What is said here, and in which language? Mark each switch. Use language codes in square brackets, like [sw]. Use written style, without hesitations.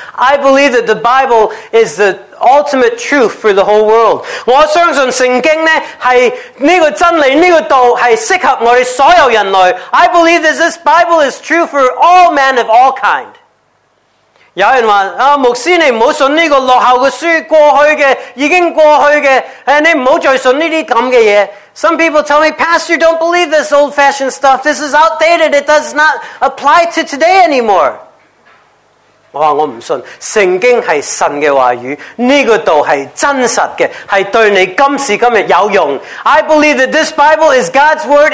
[en] I believe that the Bible is the ultimate truth for the whole world. [yue] 我相信圣经呢,是这个真理,这个道,是适合我们所有人类。 [en] I believe that this Bible is true for all men of all kind. [yue] 有人说,牧师你不要信这个落后的书,过去的,已经过去的,你不要再信这些东西。 [en] Some people tell me, Pastor, don't believe this old-fashioned stuff. This is outdated. It does not apply to today anymore. [yue] 我说我不信。圣经是神的话语。这个道是真实的。是对你今时今日有用。 [en] I believe that this Bible is God's word.